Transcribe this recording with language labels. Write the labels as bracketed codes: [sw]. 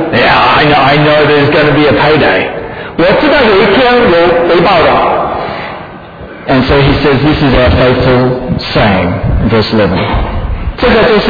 [en] yeah, I know there's going to be a payday. [zh] 我知道有一天有回报的。 [en] And so he says, this is our faithful saying, verse 11.